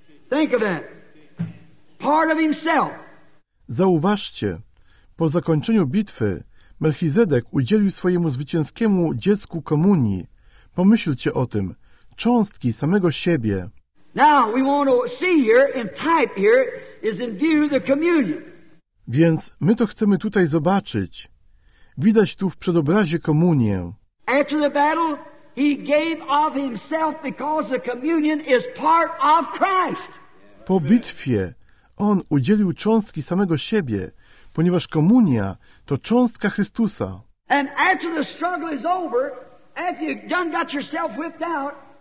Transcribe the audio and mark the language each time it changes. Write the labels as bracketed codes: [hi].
[en] Think of that. Part of himself. [pl] Zauważcie, po zakończeniu bitwy Melchizedek udzielił swojemu zwycięskiemu dziecku komunii. Pomyślcie o tym, cząstki samego siebie. [en] Now we want to see here in type here is in view the communion. [pl] Więc my to chcemy tutaj zobaczyć. Widać tu w przedobrazie komunię. [en] After the battle, he gave of himself because the communion is part of Christ. [pl] Po bitwie on udzielił cząstki samego siebie, ponieważ komunia to cząstka Chrystusa. [en] And after the struggle is over, after you've done got yourself whipped out,